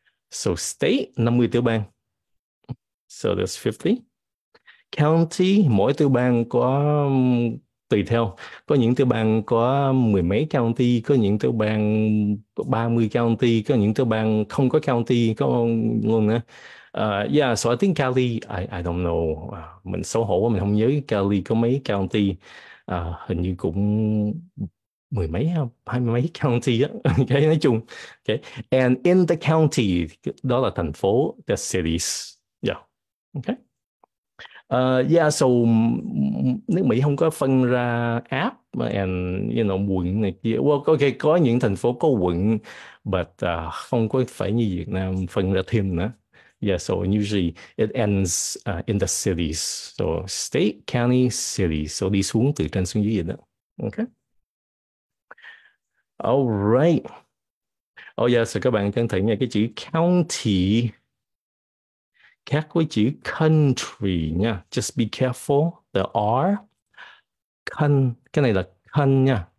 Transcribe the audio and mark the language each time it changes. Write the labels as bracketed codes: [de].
[en] So state, [vi] 50 tiểu bang. [en] So that's 50. [vi] County, mỗi tiểu bang có tùy theo. Có những tiểu bang có mười mấy county, có những tiểu bang 30 county, có những tiểu bang không có county, có luôn nữa. [en] Yeah, so I think Cali, I don't know. [vi] Mình xấu hổ quá, mình không nhớ Cali có mấy county. Hình như cũng mười mấy không, hai mươi mấy county á. Okay, nói chung. Okay. [en] And in the county, [vi] đó là thành phố, [en] the cities. Yeah. Okay. [vi] Yeah, so nước Mỹ không có phân ra app and quận này kia. Well, okay, có những thành phố có quận, but không có phải như Việt Nam phân ra thêm nữa. [en] Yeah, so usually it ends in the cities. So state, county, city. [vi] So đi xuống từ trên xuống dưới vậy đó. Okay. Oh, right. Oh yeah, so các bạn cần thấy nha, cái chữ county khác với chữ country nha. [en] Just be careful. The R. [vi] Con, cái này là con nha.